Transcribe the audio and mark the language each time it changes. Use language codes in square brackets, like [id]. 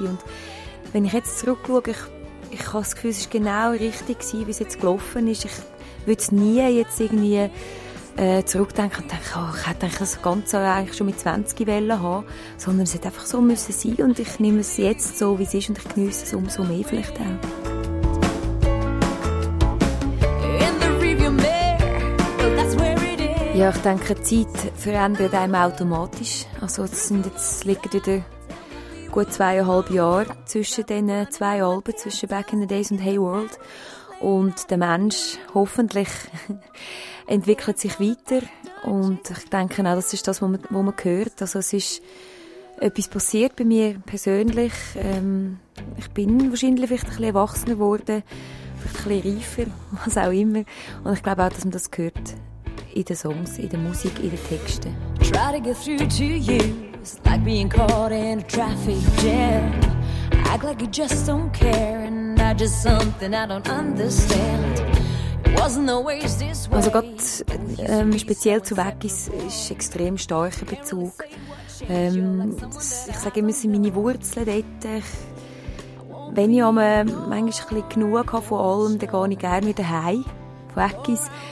[de] Und wenn ich jetzt zurückschaue, ich habe das Gefühl, es war genau richtig gewesen, wie es jetzt gelaufen ist. Ich würde es nie jetzt irgendwie zurückdenken und denken, oh, ich hätte das Ganze eigentlich schon mit 20 Wellen haben, sondern es hätte einfach so müssen sein und ich nehme es jetzt so, wie es ist und ich genieße es umso mehr vielleicht auch. [en] In the rearview mirror, that's where it is. [de] Ja, ich denke, die Zeit verändert einem automatisch. Also es liegen wieder gut 2,5 Jahre zwischen diesen 2 Alben, zwischen «Back in the Days» und «Hey World». Und der Mensch hoffentlich entwickelt sich weiter. Und ich denke auch, das ist das, was man hört. Also es ist etwas passiert bei mir persönlich. Ich bin wahrscheinlich vielleicht ein bisschen erwachsener geworden, vielleicht ein bisschen reifer, was auch immer. Und ich glaube auch, dass man das hört in den Songs, in der Musik, in den Texten. [en] Try to get through to you. It's like being caught in a traffic jam. Act like you just don't care. [de] Also gerade speziell zu Weggis ist ein extrem starker Bezug. Ich sage immer, es sind meine Wurzeln dort. Wenn ich manchmal ein bisschen genug habe von allem, dann gehe ich gerne wieder heim von Weggis.